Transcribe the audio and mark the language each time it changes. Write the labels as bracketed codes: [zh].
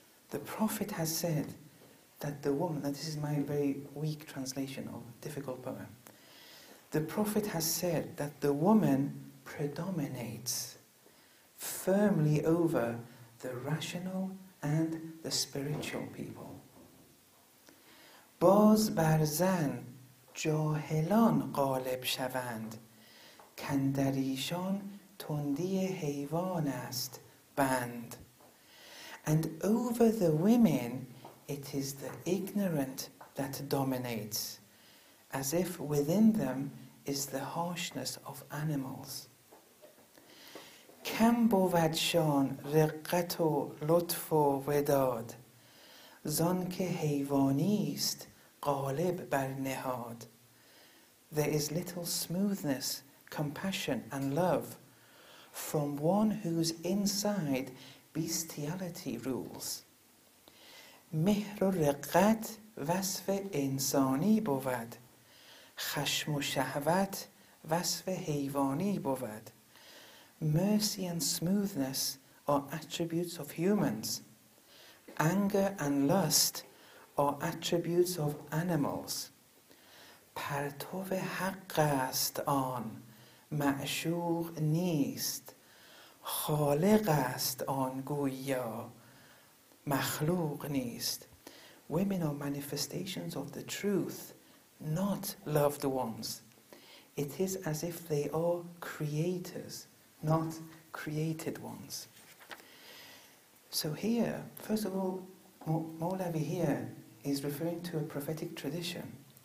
[en] The Prophet has said that the woman, now this is my very weak translation of a difficult poem. The Prophet has said that the woman predominates firmly over the rational and the spiritual people. [fa] باز بر زن جاهلان غالب شوند کاندر ایشان تندی حیوان است بند. [en] And over the women it is the ignorant that dominates, as if within them is the harshness of animals. [fa] کم بودشان رقت و لطف و وداد زان که حیوانیست غالب بر نهاد. [en] There is little smoothness, compassion and love from one whose inside bestiality rules. [fa] مهر و رقت وصف انسانی بود، خشم و شهوت وصف حیوانی بود. [en] Mercy and smoothness are attributes of humans. Anger and lust are attributes of animals. [fa] پرتو حق است آن، معشوق نیست. خالق است آن گویا، مخلوق نیست. [en] Women are manifestations of the truth, not loved ones. It is as if they are creators, not created ones. So here, first of all, Maulavi here is referring to a prophetic tradition.